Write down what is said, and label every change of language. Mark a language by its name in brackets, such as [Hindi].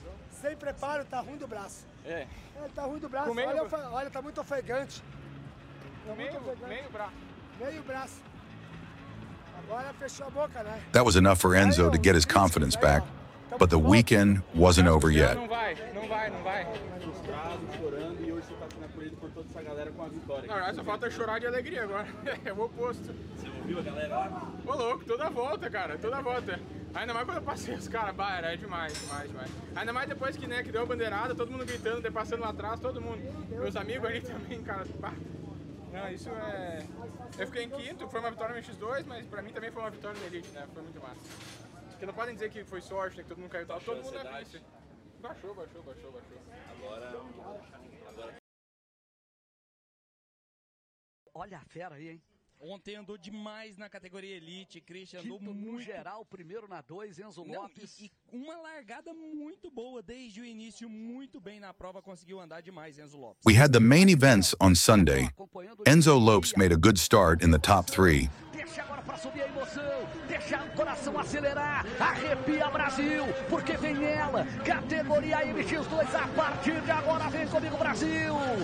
[Portuguese] Sem preparo, tá ruim do braço. É. Tá ruim do braço. Olha, tá muito ofegante. Tá muito ofegante. Meio braço. Agora fechou a boca, né? [English] That was enough for Enzo to get his confidence back, but the weekend wasn't over yet. [Portuguese] Não vai. Frustrado, chorando, e hoje você tá aqui na corrida por toda essa galera com a vitória. Não, essa falta é chorar de alegria agora. É o oposto. Você ouviu a galera? Ô, louco, toda volta, cara. Ainda mais quando eu passei os caras, bairro, é demais. Ainda mais depois que, né, que deu a bandeirada, todo mundo gritando, passando lá atrás, todo mundo. Meus amigos ali também, cara. Não, isso é... Eu fiquei em quinto, foi uma vitória no X2, mas pra mim também foi uma vitória na Elite, né? Foi muito massa. Porque não podem dizer que foi sorte, né, que todo mundo caiu. Todo mundo é vice. Baixou. Agora... Olha a fera aí, hein? Ontem andou demais na categoria Elite, Christian. Quinto andou muito... no geral, primeiro na 2, Enzo Lopes. E uma largada muito boa desde o início, muito bem na prova, conseguiu andar demais, Enzo Lopes. [English] We had the main events on Sunday. Enzo Lopes made a good start in the top 3. [Portuguese] Deixa agora pra subir a emoção, deixa o coração acelerar, arrepia Brasil, porque vem ela, categoria MX2, a partir de agora vem comigo Brasil.